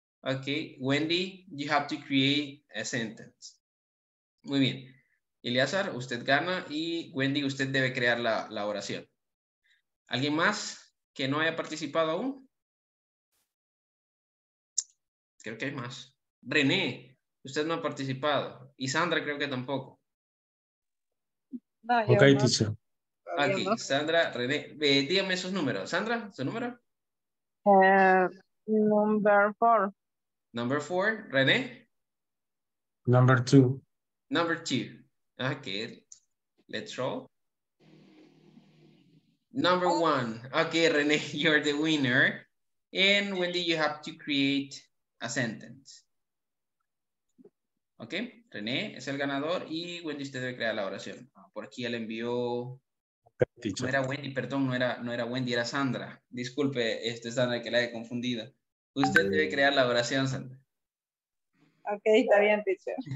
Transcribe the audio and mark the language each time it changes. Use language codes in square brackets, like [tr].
[en] Ok, Wendy, you have to create a sentence. [es] Muy bien. Eliazar, usted gana y Wendy, usted debe crear la oración. ¿Alguien más que no haya participado aún? Creo que hay más. René, usted no ha participado. Y Sandra, creo que tampoco. [en] No, ok, teacher. [es] Aquí, Sandra, René. Dígame sus números. Sandra, ¿su número? [en] Number four. Number four. René. Number two. Number two. Okay, let's roll. Number one. Okay, René, you're the winner. And Wendy, you have to create a sentence. [es] Okay, René es el ganador y Wendy, usted debe crear la oración. Por aquí ya le envió... No era Wendy, perdón, no era Wendy, era Sandra. Disculpe, Sandra, que la haya confundido. Usted debe crear la oración, Sandra. Okay, está bien, teacher.